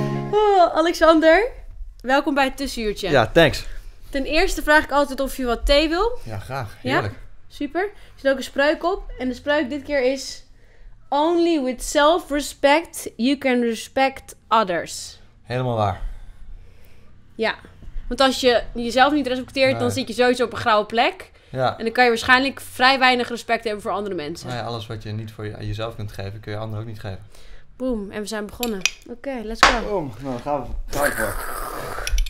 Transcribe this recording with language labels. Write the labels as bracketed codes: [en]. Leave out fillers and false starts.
[nl] Oh, Alexander, welkom bij het tussenuurtje. Ja, thanks. Ten eerste vraag ik altijd of je wat thee wil. Ja, graag. Heerlijk. Ja? Super. Er zit ook een spreuk op. En de spreuk dit keer is... [en] Only with self-respect you can respect others. [nl] Helemaal waar. Ja. Want als je jezelf niet respecteert, nee. Dan zit je sowieso op een grauwe plek. Ja. En dan kan je waarschijnlijk vrij weinig respect hebben voor andere mensen. Nee, alles wat je niet voor jezelf kunt geven, kun je anderen ook niet geven. Boom. En we zijn begonnen. Oké, [en] let's go. [nl] Boom. Nou, dan gaan we.